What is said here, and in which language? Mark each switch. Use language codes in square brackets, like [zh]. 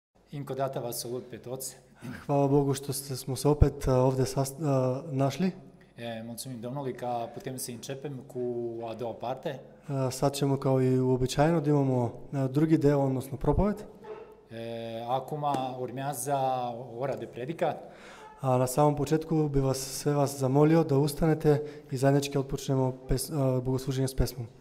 [ro] Încă o dată vă salut pe toți. [sr] Hvala Bogu što smo se opet ovde našli. [ro] Mulțumim Domnului că putem să începem cu a doua parte. [sr] Sad ćemo kao i uobičajeno da imamo drugi deo, odnosno propoved. [ro] Acum urmează ora de predicat. [sr] Na samom početku bi vas sve vas zamolio da ustanete i zajednički otpočnemo bogosluženje s pesmom.